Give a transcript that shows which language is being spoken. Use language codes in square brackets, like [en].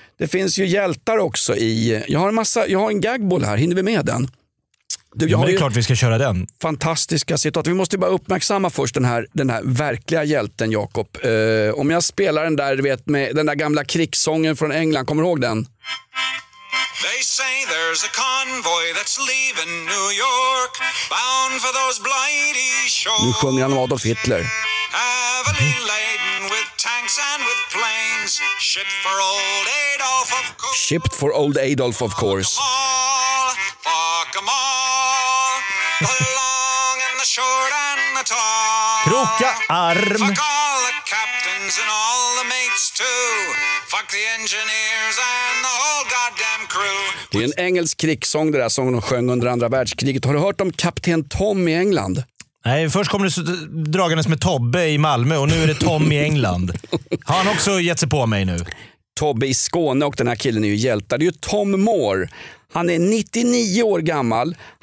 [sv] det finns ju hjältar också i... Jag har en gagboll här, hinner vi med den? Du, ja, men det är klart vi ska köra den. Fantastiska citat. Vi måste ju bara uppmärksamma först den här verkliga hjälten, Jakob. Om jag spelar den där, du vet, med den där gamla krigssången från England, kommer du ihåg den? [en] They say there's a convoy that's leaving New York, bound for those bloody shores. [sv] Nu sjunger han Adolf Hitler. [en] Heavily laden with tanks and with planes, shipped for old Adolf of course. Shipped for old Adolf of course. Fuck 'em all, the long and the short and the tall. [sv] Kroka arm. [en] Fuck all the captains and all the mates too. Fuck the engineers and the whole goddamn crew. [sv] Det är en engelsk krigssång, det där sången de sjöng under andra världskriget. Har du hört om kapten Tom i England? Nej, först kom det dragandes med Tobbe i Malmö och nu är det Tom i England. Har han också gett sig på mig nu? Tobbe i Skåne, och den här killen är ju hjältar. Det är ju Tom Moore. Han är 99 år gammal.